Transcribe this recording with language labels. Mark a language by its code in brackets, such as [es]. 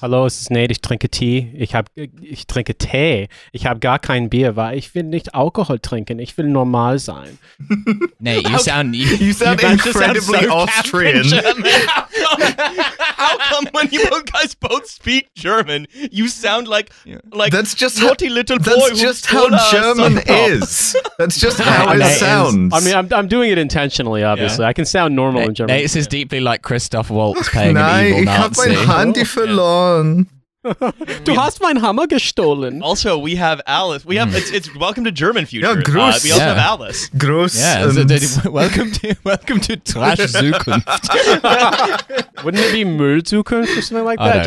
[de] Hallo, es ist Nate, ich trinke Tee. Ich habe gar kein Bier, weil ich will nicht Alkohol trinken, ich will normal sein. [en] Nate, you sound incredibly Austrian. How come when you guys both speak German, you sound like that's just naughty little boy? That's just how German is. That's just how it sounds. I mean, I'm doing it intentionally, obviously. Yeah. I can sound normal in German. Nate is deeply like Christoph Waltz playing an evil Nazi. [de] Ich habe mein Handy verloren. Du hast mein Hammer gestohlen. [en] Also, we have Alice. We have it's welcome to German future. Yeah, gross. We also have Alice. Gross. Yeah. Welcome to Trash Zukunft. Wouldn't it be Müll Zukunft or something like that?